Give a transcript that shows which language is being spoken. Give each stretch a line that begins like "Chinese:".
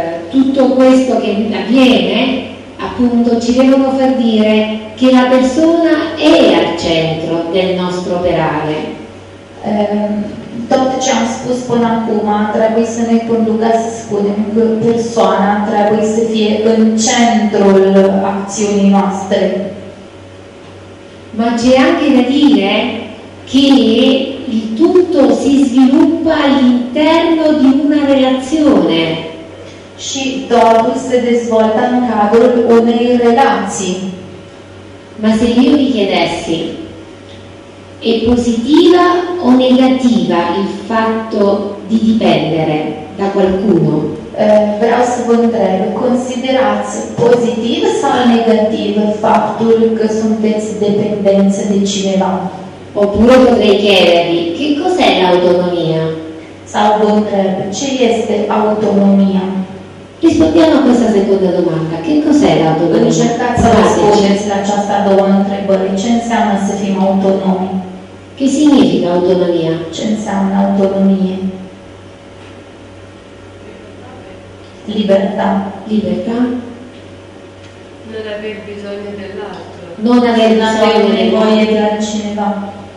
Italian: Tutto questo che avviene, appunto, ci devono far dire che la persona è al centro del nostro operare.
Romanian: Tot ce am spus până acum trebuie să ne conducă să spunem că persoana trebuie să fie în centrul acțiunii noastre.
Italian: Ma c'è anche da dire che il tutto si sviluppa all'interno di una relazione.
Romanian: Și totul se dezvoltă în cadrul unei relații.
Italian: Ma se io mi chiedessi, è positiva o negativa il fatto di dipendere da qualcuno?
Romanian: Vreau să vă întreb, considerați pozitiv sau negativ faptul că sunteți dependență de cineva?
Italian: Oppure potrei chiedervi, che cos'è l'autonomia?
Romanian: Sau vă întreb, ce este autonomia?
Italian: Rispondiamo a questa seconda domanda. Che cos'è l'autonomia?
Romanian: Încercați să răspundeți la această a doua întrebări. Ce înseamnă să fim autonomi?
Italian: Che significa autonomia?
Romanian: Ce înseamnă autonomie?
Italian: Libertà. Libertà. Non aver bisogno dell'altro. Non aver bisogno di voglia di cineva.